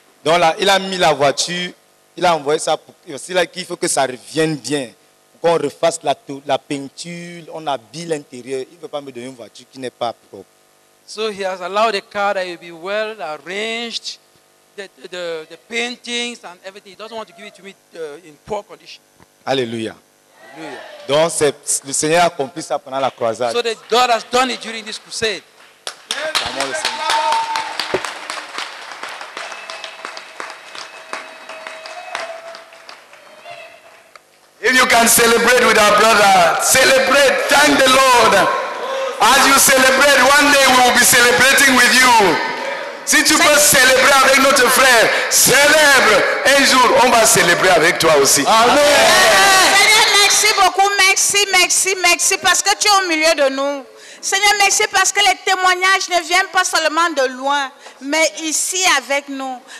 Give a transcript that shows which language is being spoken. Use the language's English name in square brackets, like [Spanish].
[French] Donc là, il a mis la voiture, il a envoyé ça pour qu'il faut que ça revienne bien. Qu'on refasse la peinture, on habille l'intérieur. Il ne veut pas me donner une voiture qui n'est pas propre. [English] So he has allowed the car that will be well arranged, the paintings and everything. He doesn't want to give it to me in poor condition. [French] Alléluia. Alléluia. Donc c'est, le Seigneur a accompli ça pendant la croisade. [English] So that God has done it during this crusade. If you can celebrate with our brother, celebrate, thank the Lord. As you celebrate, one day we will be celebrating with you. [French] Si tu peux célébrer avec notre frère, célèbre. Un jour, on va célébrer avec toi aussi. Amen. Seigneur, merci beaucoup. Merci parce que tu es au milieu de nous. Seigneur, merci parce que les témoignages ne viennent pas seulement de loin, mais ici avec nous.